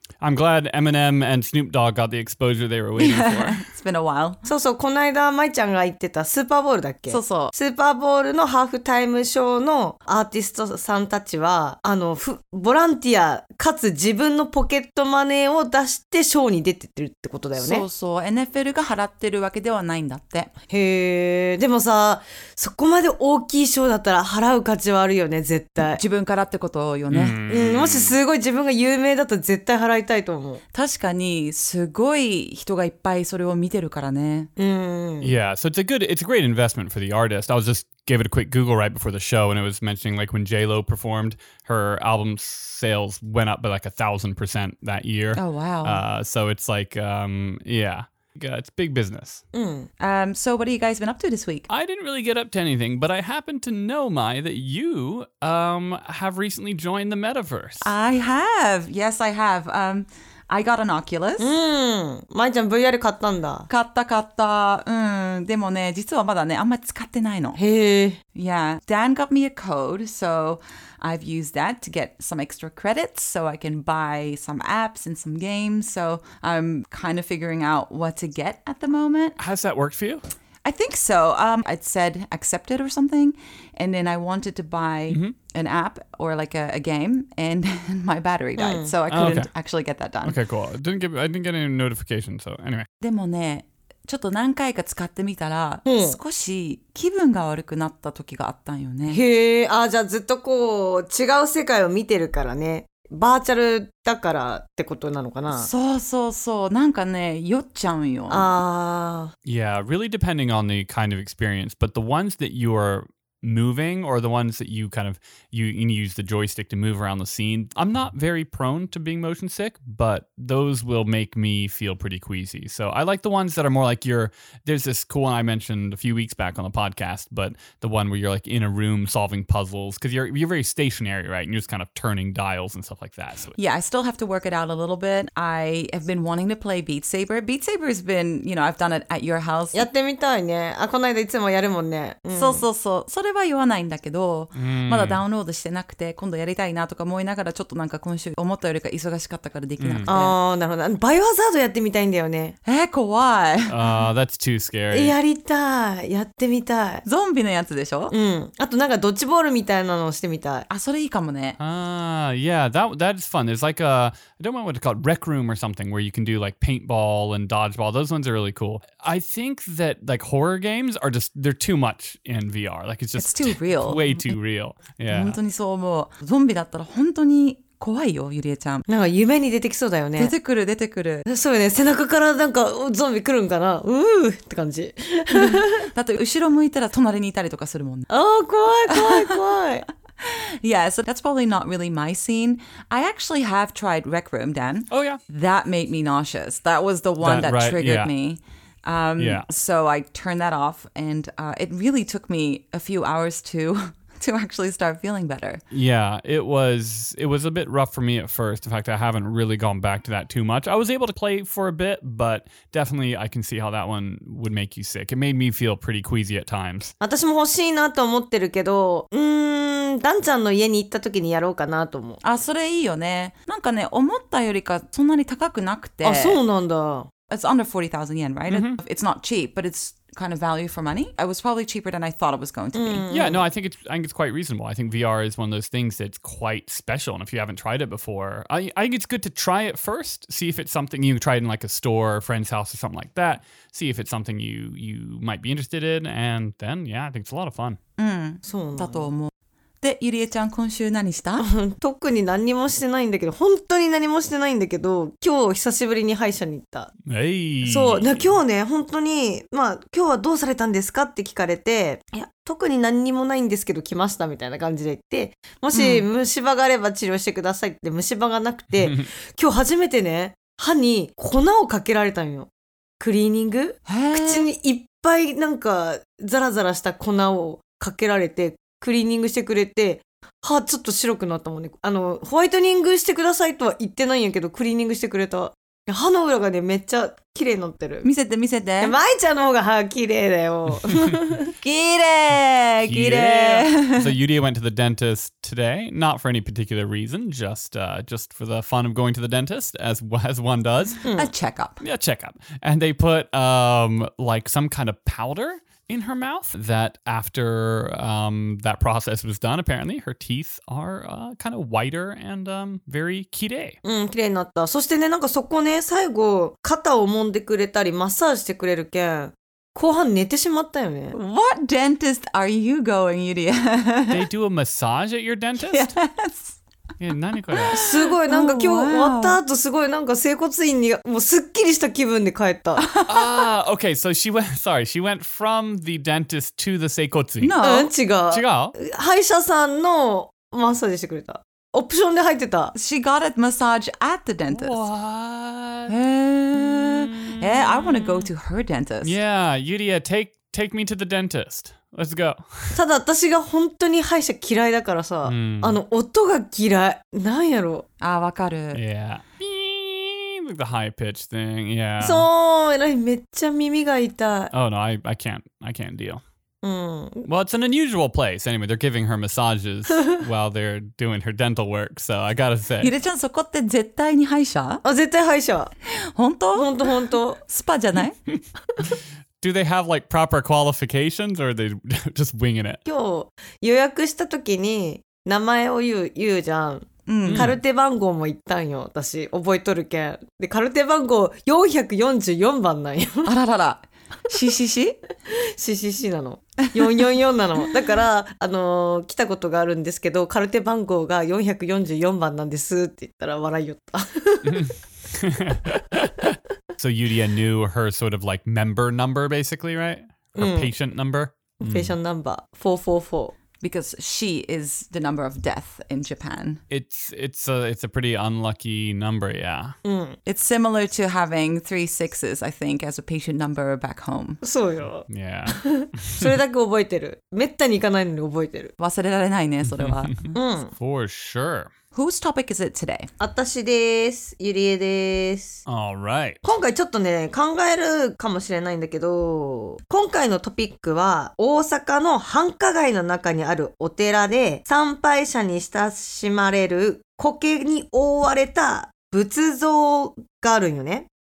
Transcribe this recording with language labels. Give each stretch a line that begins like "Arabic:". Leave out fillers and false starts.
English: I'm glad Eminem and Snoop Dogg got the exposure they were waiting for. It's been a while.
Japanese: そうそう、この間マイちゃんが言ってたスーパーボールだっけ？そうそう。スーパーボールのハーフタイムショーのアーティストさんたちは、ボランティアかつ自分のポケットマネーを出してショーに出てるってことだよね。そうそう、NFL が払ってるわけではないんだって。へー、でもさ、そこまで大きいショーだったら払う価値はあるよね、絶対。自分からってことよね。もしすごい自分が有名だと絶対払いたい。確かにすごい人がいっぱいそれを見てるからね。
English: Yeah, so it's a great investment for the artist. I was just gave it a quick Google right before the show, and it was mentioning like when J-Lo performed, her album sales went up by like 1000% that year. Oh wow. So it's like, yeah. Yeah, it's big business. So what have you guys been up to this week? I didn't really get up to anything, but I happen to know, Mai, that you have recently joined the metaverse. I have. Yes, I have. I got an Oculus.
Japanese: Mai-chan, VR 買ったんだ。買った、買った。でもね、実はまだね、あんまり使ってないの。へぇ。
English: Yeah, Dan got me a code, so I've used that to get some extra credits so I can buy some apps and some games. So I'm kind of figuring out what to get at the moment. Has that worked for you? I think so. I'd said accepted or something, and then I wanted to buy an app or like a game, and my battery died, so I couldn't actually get that done. Okay, cool. I didn't get any notification, so anyway.
Japanese: でもね、ちょっと何回か使ってみたら、少し気分が悪くなった時があったんよね。へえ、あ、じゃあずっとこう違う世界を見てるからね。バーチャルだからってことなのかな。そうそうそう、なんかね、酔っちゃうよ。ああ。
English: Yeah, really depending on the kind of experience, but the ones that you are moving or the ones that you kind of you use the joystick to move around the scene, I'm not very prone to being motion sick, but those will make me feel pretty queasy. So I like the ones that are more like there's this cool one I mentioned a few weeks back on the podcast, but the one where you're like in a room solving puzzles because you're very stationary, right? And you're just kind of turning dials and stuff like that. So yeah, I still have to work it out a little bit. I have been wanting to play Beat Saber. Beat Saber has been, you know, I've done it at your house.
Japanese: やってみたいね。あ、この間いつもやるもんね。そうそうそう。それは言わないんだけど、まだダウンロードしてなくて、今度やりたいなとか思いながら、ちょっとなんか今週思ったよりか忙しかったからできなくて。ああ、なるほど。バイオハザードやってみたいんだよね。え、怖い。
English: That's too scary。
Japanese: やりたい。やってみたい。ゾンビのやつでしょ？うん。あとなんかドッジボールみたいなのをしてみたい。あ、それいいかもね。
English: That's fun. There's like a, I don't know what it's called, rec room or something where you can do like paintball and dodgeball. Those ones are really cool. I think that like horror games are just, they're too much in VR. Like it's just it's too real. Way too real. Yeah.
Japanese: 本当にそう思う。ゾンビだったら本当に怖いよ、ゆりえちゃん。なんか夢に出てきそうだよね。出てくる、出てくる。そうよね。背中からなんかゾンビ来るんかな。うーって感じ。だって後ろ向いたら隣にいたりとかするもんね。あー、怖い、怖い、怖い。
English: Yeah, so that's probably not really my scene. I actually have tried Rec Room, Dan. Oh, yeah. That made me nauseous. That was the one that, that triggered me. So I turned that off, and it really took me a few hours to actually start feeling better. Yeah, it was a bit rough for me at first. In fact, I haven't really gone back to that too much. I was able to play for a bit, but definitely I can see how that one would make you sick. It made me feel pretty queasy at times.
Japanese: 私も欲しいなと思ってるけど、ダンちゃんの家に行った時にやろうかなと思う。あ、それいいよね。なんかね、思ったよりかそんなに高くなくて。あ、そうなんだ。
English: It's under 40,000 yen, right? Mm-hmm. It's not cheap, but it's kind of value for money. It was probably cheaper than I thought it was going to be. Yeah, no, I think it's quite reasonable. I think VR is one of those things that's quite special. And if you haven't tried it before, I think it's good to try it first. See if it's something you try it in like a store or a friend's house or something like that. See if it's something you might be interested in. And then, yeah, I think it's a lot of fun.
Japanese: そうだと思う。で、ゆりえちゃん今週何した？特に何もしてないんだけど、本当に何もしてないんだけど、今日久しぶりに歯医者に行った。はい。そう、今日ね、本当に、まあ、今日はどうされたんですかって聞かれて、いや、特に何にもないんですけど来ましたみたいな感じで言って、もし虫歯があれば治療してくださいって、虫歯がなくて、今日初めてね、歯に粉をかけられたんよ。クリーニング？口にいっぱいなんか、ザラザラした粉をかけられて、クリーニングしてくれて、歯ちょっと白くなったもんね。あの、ホワイトニングしてくださいとは言ってないんやけど、クリーニングしてくれた。歯の裏がね、めっちゃ綺麗になってる。見せて見せて。舞ちゃんの方が歯綺麗だよ。綺麗綺麗。
English: So Yuria went to the dentist today, not for any particular reason, just for the fun of going to the dentist, as one does. A checkup. Yeah, checkup. And they put like some kind of powder in her mouth that after that process was done, apparently her teeth are kind of whiter and very kire.
Japanese: Kire になった。そしてね、なんかそこね、最後肩を揉んでくれたりマッサージしてくれるけん、後半寝てしまったよね。
English: What dentist are you going, Yuria? They do a massage at your dentist? Yes.
Japanese: 何これ、すごいなんか今日終わった後すごいなんか整骨院にもうすっきりした気分で帰った。
English: okay, so she went from the dentist to the 整骨院。 No.
Japanese: 違う。歯医者さんのマッサージしてくれた。オプションで入ってた。
English: She got a massage at the dentist. What? Yeah, I want to go to her dentist. Yeah, Yuria, take me to the dentist. Let's go.
Japanese: ただ私が本当に歯医者嫌いだからさ、あの音が嫌い。なんやろ。あ、わかる。
English: Yeah. ピーン like the high pitch thing. Yeah.
Japanese: そう、めっちゃ耳が痛い。
English: Oh no, I can't deal. Well, it's an unusual place. Anyway, they're giving her massages while they're doing her dental work. So I gotta say.
Japanese: ゆりちゃん、そこって絶対に歯医者？あ、絶対歯医者。本当？本当本当。スパじゃない？
English: Do they have like proper qualifications or are they just winging it?
Japanese: 今日予約した時に名前を言うじゃん。カルテ番号も言ったんよ。私覚えとるけん。で、カルテ番号444番なんよ。あららら。CCC? CCC なの。444なの。だから、来たことがあるんですけど、カルテ番号が444番なんですって言ったら笑いよった。
English: So Yuria knew her sort of like member number, basically, right? Her patient number? Patient number, 444. Because she is the number of death in Japan. It's a pretty unlucky number, yeah. It's similar to having 3 6s, I think, as a patient number back home.
Japanese: そうよ。
English: Yeah.
Japanese: それだけ覚えてる。めったに行かないのに覚えてる。忘れられないね、それは。
English: For sure. Whose topic is it today?
Japanese: 私です。ゆりえです。
English: All right.
Japanese: 今回ちょっとね、考えるかもしれないんだけど、今回のトピックは、大阪の繁華街の中にあるお寺で、参拝者に親しまれる苔に覆われた仏像があるんよね。